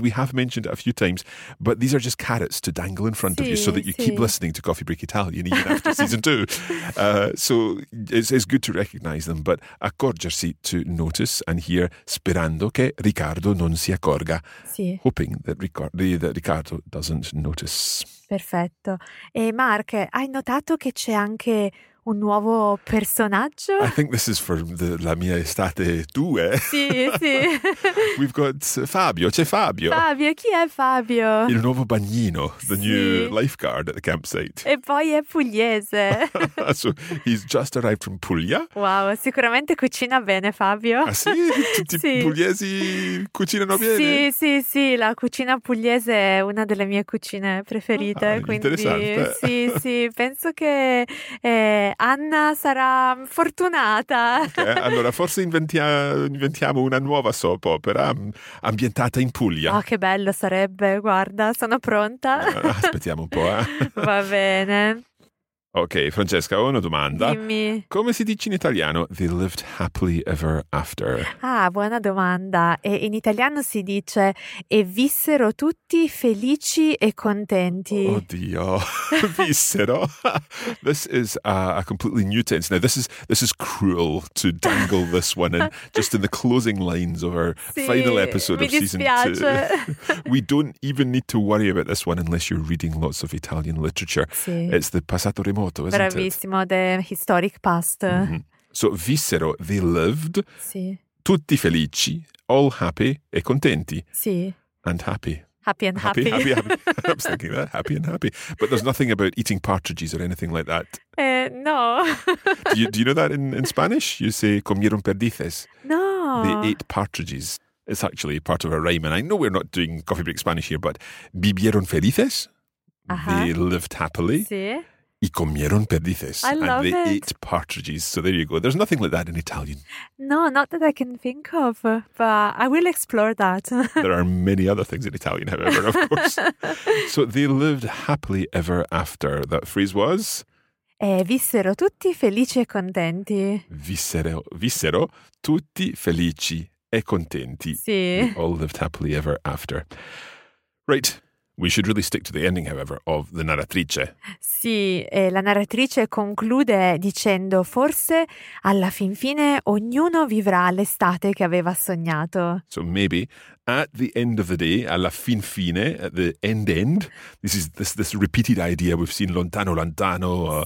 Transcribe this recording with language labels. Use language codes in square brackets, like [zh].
[en] We have mentioned it a few times, but these are just carrots to dangle in front of you so that you keep listening to Coffee Break Italian even after season two. So it's good to recognise them, but accorgersi, to notice, and here, [it] sperando che Riccardo non si accorga. [en] Hoping that Riccardo doesn't notice. [it] Perfetto. E Mark, hai notato che c'è anche un nuovo personaggio? [en] I think this is for la mia estate due. [it] Sì. [en] We've got Fabio. [it] C'è Fabio. Fabio, chi è Fabio? Il nuovo bagnino, [en] the new lifeguard at the campsite. [it] E poi è pugliese. [en] So he's just arrived from Puglia. [it] Wow, sicuramente cucina bene Fabio. Ah sì? Tutti i pugliesi cucinano bene? Sì, la cucina pugliese è una delle mie cucine preferite. Ah, quindi, interessante. Sì, penso che... Anna sarà fortunata. Okay, allora forse inventiamo una nuova soap opera ambientata in Puglia. Oh, che bello sarebbe, guarda, sono pronta. Aspettiamo un po', eh? Va bene. Ok, Francesca, ho una domanda. Dimmi. Come si dice in italiano [en] they lived happily ever after? [it] Ah, buona domanda. E in italiano si dice e vissero tutti felici e contenti. Oddio, vissero. [en] This is a completely new tense. Now, this is cruel to dangle this one in just in the closing lines of our final episode of season two. We don't even need to worry about this one unless you're reading lots of Italian literature. [it] Sì. [en] It's the passato remoto. Moto, isn't bravissimo, it? The historic past. Mm-hmm. So, vissero, they lived, [it] sì. Tutti felici, [en] all happy [it] e contenti. Sì. [en] And happy. Happy and happy. Happy. I was thinking that, happy and happy. But there's nothing about eating partridges or anything like that. No. Do you know that in Spanish? You say, [es] comieron perdices. [en] No. They ate partridges. It's actually part of a rhyme, and I know we're not doing Coffee Break Spanish here, but [es] vivieron felices. Uh-huh. [en] They lived happily. [it] Sì. [es] Y comieron perdices. [en] I love and they it. Ate partridges. So there you go. There's nothing like that in Italian. No, not that I can think of, but I will explore that. There are many other things in Italian, however, of course. So they lived happily ever after. That phrase was? [it] Vissero tutti felici e contenti. Vissero tutti felici e contenti. Sì. [en] They all lived happily ever after. Right. We should really stick to the ending, however, of the narratrice. [it] Sì, la narratrice conclude dicendo forse alla fin fine ognuno vivrà l'estate che aveva sognato. [en] So maybe at the end of the day, [it] alla fin fine, [en] at the end, this is this repeated idea we've seen lontano, or,